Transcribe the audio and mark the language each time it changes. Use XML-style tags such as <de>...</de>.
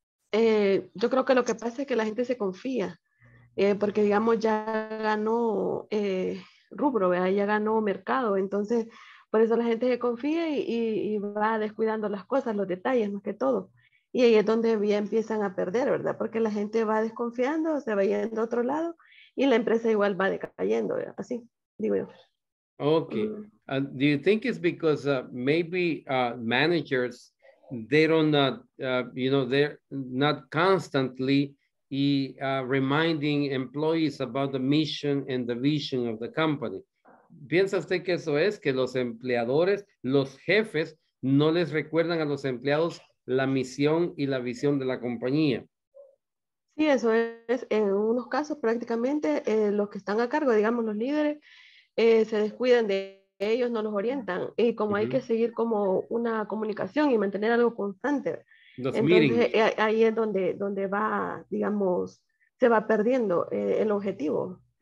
<es>Yo creo que lo que pasa es que la gente se confía, porque digamos ya ganó rubro, ¿verdad? Ya ganó mercado, entonces por eso la gente se confía y va descuidando las cosas, los detalles más que todo, y ahí es donde ya empiezan a perder, ¿verdad? Porque la gente va desconfiando, se va yendo a otro lado y la empresa igual va decayendo, ¿verdad? Así digo yo.</es> <en>Ok, do you think it's because managers, they don't they're not constantly reminding employees about the mission and the vision of the company?</en> <es>¿Piensa usted que eso es, que los empleadores, los jefes, no les recuerdan a los empleados la misión y la visión de la compañía? Sí, eso es. En unos casos, prácticamente, los que están a cargo, digamos, los líderes, se descuidan de ellos, no los orientan, y como hay que seguir como una comunicación y mantener algo constante, entonces, ahí es donde va, digamos, se va perdiendo el objetivo.</es>